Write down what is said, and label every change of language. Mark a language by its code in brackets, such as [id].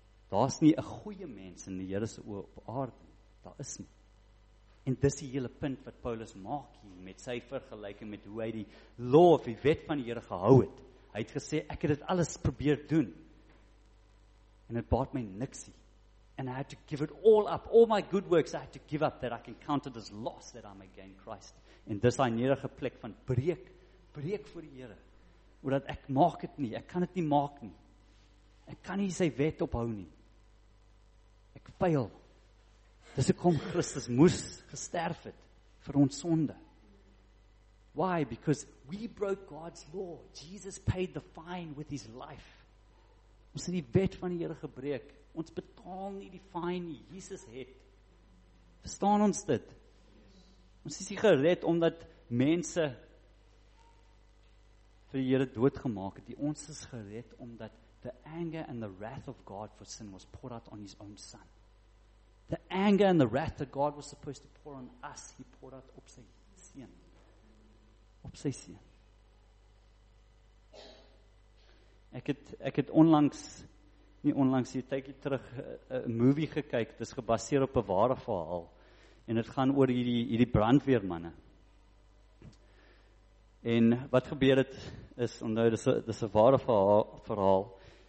[af] Daar's nie 'n goeie mens in die Here se oë op aarde. Daar is nie. En dis die hele punt wat Paulus maak hier met sy vergelyking met hoe hy die law of die wet van die Here gehou het. Hy het gesê ek het dit alles probeer doen. En dit baat my niks nie. [en] And I had to give it all up. All my good works I had to give up that I can count it as loss that I may gain Christ. [af] En dis daai nederige plek van breek voor die Here. Omdat ek maak dit nie, ek kan dit nie maak nie. Ek kan nie sy wet ophou nie. Ek faal. Dis hoekom Christus moes gesterf het vir ons sonde. [en] Why? Because we broke God's law. Jesus paid the fine with his life. [af] Ons het die wet van die Here gebreek. Ons betaal nie die fine nie. Jesus het. Verstaan ons dit? Ons is nie gered omdat mense vir die Here doodgemaak het. Ons is gered omdat [en] the anger and the wrath of God for sin was poured out on his own son. The anger and the wrath that God was supposed to pour on us, he poured out [af] op sy seun. Op sy seun. Ek het onlangs hier tydjie terug 'n movie gekyk. Dit is gebaseer op 'n ware verhaal en dit gaan oor hierdie brandweermanne. En wat gebeur het is, onthou, dis 'n ware verhaal.